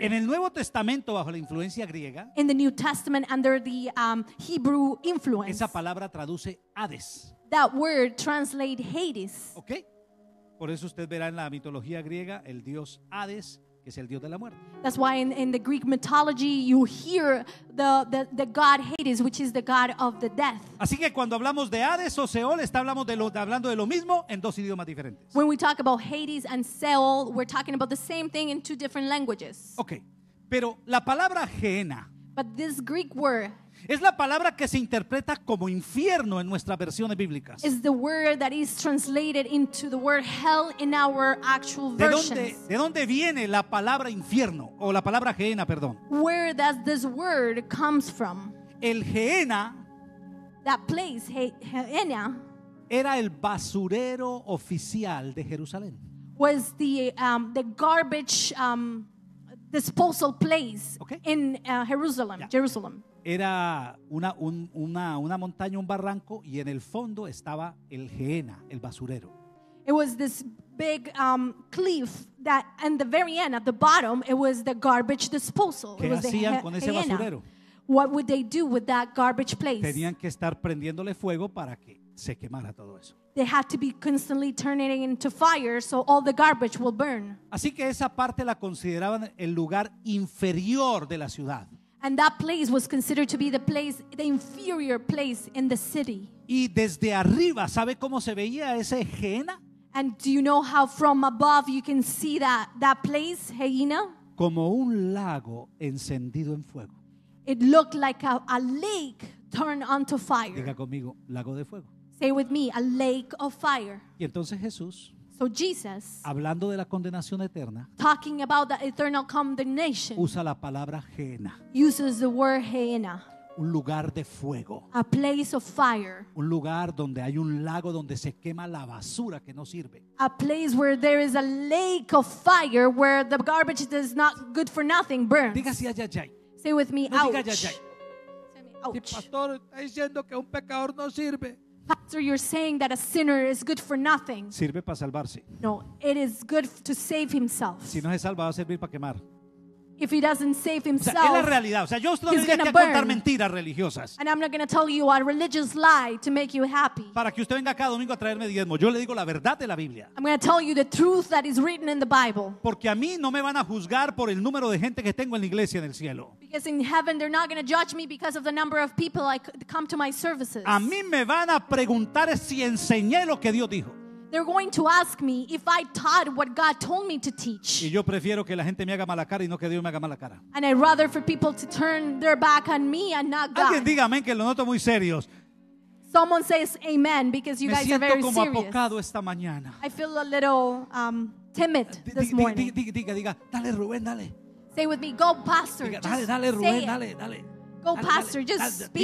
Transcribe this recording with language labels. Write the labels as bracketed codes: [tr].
[es] En el Nuevo Testamento bajo la influencia griega. [en] In the New Testament under the Hebrew influence. [es] Esa palabra traduce Hades. [en] That word translates Hades. Okay. [es] Por eso usted verá en la mitología griega el dios Hades, que es el dios de la muerte. [en] That's why in the Greek mythology you hear the god Hades, which is the god of the death. [es] Así que cuando hablamos de Hades o Seol, hablando de lo mismo en dos idiomas diferentes. [en] When we talk about Hades and Seol, we're talking about the same thing in two different languages. [es] Okay. Pero la palabra Gehenna. [en] But this Greek word. [es] Es la palabra que se interpreta como infierno en nuestras versiones bíblicas. [en] Is the word that is translated into the word hell in our actual versions. [es] ¿De dónde viene la palabra infierno o la palabra Gehenna, perdón? [en] Where does this word comes from? [es] El Gehenna. [en] That place, Gehenna. [es] Era el basurero oficial de Jerusalén. [en] Was the garbage disposal place, okay, in Jerusalem, yeah. Jerusalem. [es] Era una montaña, un barranco, y en el fondo estaba el Gehenna, el basurero. [en] It was this big cliff that, and the very end, at the bottom, it was the garbage disposal. [es] ¿Qué hacían con ese basurero? [en] What would they do with that garbage place? [es] Tenían que estar prendiéndole fuego para que se quemara todo eso. [en] They had to be constantly turning it into fire so all the garbage will burn. [es] Así que esa parte la consideraban el lugar inferior de la ciudad. [en] And that place was considered to be the place, the inferior place in the city. [es] Y desde arriba, ¿sabe cómo se veía ese Gehenna? [en] And do you know how from above you can see that place, Gehenna? [es] Como un lago encendido en fuego. [en] It looked like a lake turned onto fire. [es] Diga conmigo, lago de fuego. [en] Say with me, a lake of fire. [es] Y entonces Jesús. [en] So Jesus, [es] hablando de la condenación eterna, [en] talking about the eternal condemnation, [es] usa la palabra Gehenna, [en] uses the word Gehenna, [es] un lugar de fuego, [en] a place of fire, [es] un lugar donde hay un lago donde se quema la basura que no sirve, [en] a place where there is a lake of fire where the garbage that is not good for nothing burns. [es] Diga si ay, ay, ay. [en] Say with me, no, ouch. [es] Diga, ay, ay. [en] Say me, ouch. [es] Si pastor está diciendo que un pecador no sirve. [en] Pastor, you're saying that a sinner is good for nothing. [es] Sirve para salvarse. [en] No, it is good to save himself. [es] Si no se salva, va a servir para quemar. [en] if he doesn't save himself, [es] o sea, es la realidad. O sea, yo no tengo que contar mentiras religiosas. [en] And I'm not going to tell you a religious lie to make you happy. [es] Para que usted venga cada domingo a traerme diezmo, yo le digo la verdad de la Biblia. [en] I'm going to tell you the truth that is written in the Bible. [es] Porque a mí no me van a juzgar por el número de gente que tengo en la iglesia en el cielo. [en] Because in heaven they're not going to judge me because of the number of people I come to my services. [es] A mí me van a preguntar si enseñé lo que Dios dijo. [en] They're going to ask me if I taught what God told me to teach. [es] Y yo prefiero que la gente me haga mala cara y no que Dios me haga mala cara. [en] And I'd rather for people to turn their back on me and not God. [es] Alguien diga amén, que lo noto muy serios. [en] Someone says amen because you me guys are very serious. [es] Me siento como apocado esta mañana. [en] I feel a little timid this morning. [es] Diga, dale Rubén, dale. [en] Say with me, go pastor. [es] Diga, dale Rubén, dale. [en] Go pastor, just speak.